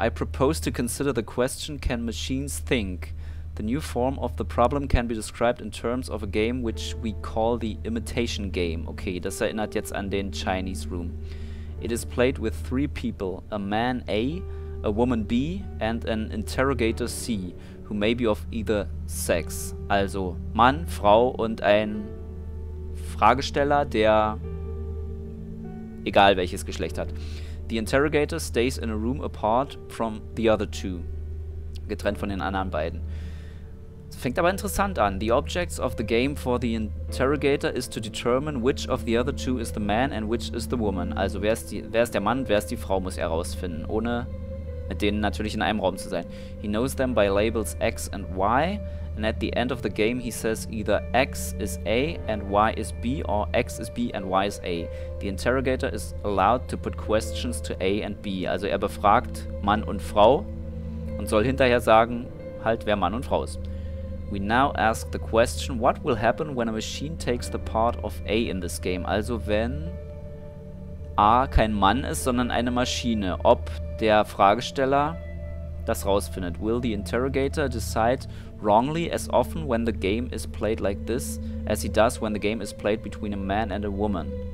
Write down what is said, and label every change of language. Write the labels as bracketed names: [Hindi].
[English] I propose to consider the question, can machines think? The new form of the problem can be described in terms of a game which we call the Imitation Game. [German] Okay, das erinnert jetzt an den Chinese Room. [English] It is played with three people, a man A, a woman B and an interrogator C, who may be of either sex. [German] Also Mann, Frau und ein Fragesteller, der egal welches Geschlecht hat. [English] The interrogator stays in a room apart from the other two. [German] Getrennt von den anderen beiden. Es fängt aber interessant an. [English] The objects of the game for the interrogator is to determine which of the other two is the man and which is the woman. [German] Also wer ist der Mann, wer ist die Frau, muss er herausfinden, ohne mit denen natürlich in einem Raum zu sein. [English] He knows them by labels X and Y, and at the end of the game he says either X is A and Y is B or X is B and Y is A. The interrogator is allowed to put questions to A and B. [German] Also er befragt Mann und Frau und soll hinterher sagen, halt, wer Mann und Frau ist. [English] We now ask the question, what will happen when a machine takes the part of A in this game? [German] Also wenn A kein Mann ist, sondern eine Maschine, ob der Fragesteller das rausfindet. [English] Will the interrogator decide wrongly as often when the game is played like this, as he does when the game is played between a man and a woman?